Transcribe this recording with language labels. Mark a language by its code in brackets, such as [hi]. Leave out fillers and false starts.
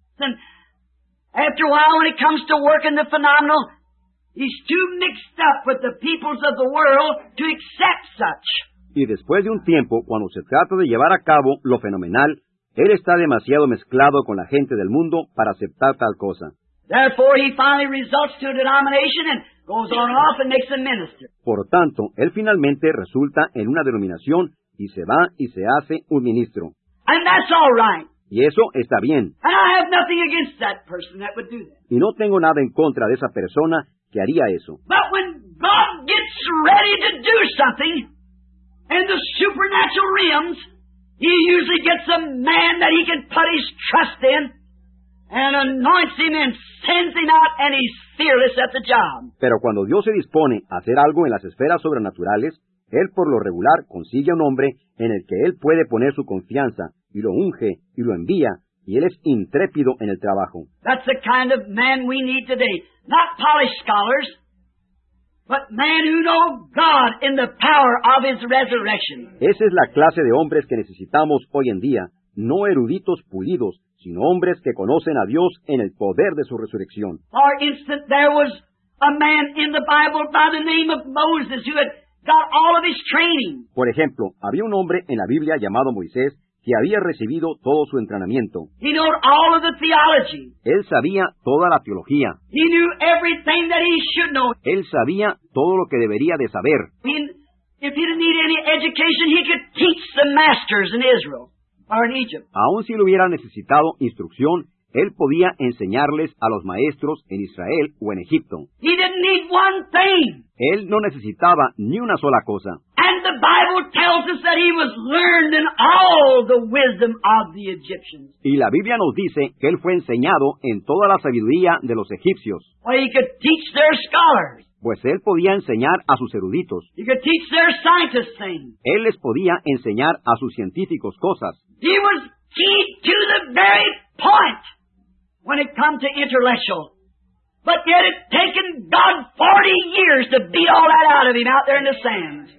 [en] And after a while, when it comes to working the phenomenal, he's too mixed up with the peoples of the world to accept such. [es] Y después de un tiempo, cuando se trata de llevar a cabo lo fenomenal, él está demasiado mezclado con la gente del mundo para aceptar tal cosa. [en] Therefore, he finally resorts to a denomination and goes on off and makes a minister. [es] Por tanto, él finalmente resulta en una denominación y se va y se hace un ministro. [en] And that's all right. [es] Y eso está bien. [en] And I have nothing against that person that would do that. [es] Y no tengo nada en contra de esa persona que haría eso. [en] But when God gets ready to do something, in the supernatural realms, he usually gets a man that he can put his trust in and anoints him and sends him out, and he's fearless at the job. [es] Pero cuando Dios se dispone a hacer algo en las esferas sobrenaturales, él por lo regular consigue un hombre en el que él puede poner su confianza y lo unge y lo envía, y él es intrépido en el trabajo. [en] That's the kind of man we need today. Not polished scholars, but men who know God in the power of His resurrection. [es] Esa es la clase de hombres que necesitamos hoy en día, no eruditos pulidos, sino hombres que conocen a Dios en el poder de su resurrección. [en] For instance, there was a man in the Bible by the name of Moses who had got all of his training. [es] Por ejemplo, había un hombre en la Biblia llamado Moisés que había recibido todo su entrenamiento. [en] He knew all of the theology. [es] Él sabía toda la teología. [en] He knew everything that he should know. [es] Él sabía todo lo que debería de saber. [en] If he didn't need any education, he could teach the masters in Israel or in Egypt. [es] Aun si él hubiera necesitado instrucción, él podía enseñarles a los maestros en Israel o en Egipto. [en] He didn't need one thing. [es] Él no necesitaba ni una sola cosa. [en] And the Bible tells us that he was learned in all the wisdom of the Egyptians. [es] Y la Biblia nos dice que él fue enseñado en toda la sabiduría de los egipcios. [en] Well, he could teach their scholars. [es] Pues él podía enseñar a sus eruditos. [en] He could teach their scientists things. [es] Él les podía enseñar a sus científicos cosas. [en] He was key to the very point when it comes to intellectual. But yet it's taken God 40 years to beat all that out of him out there in the sands.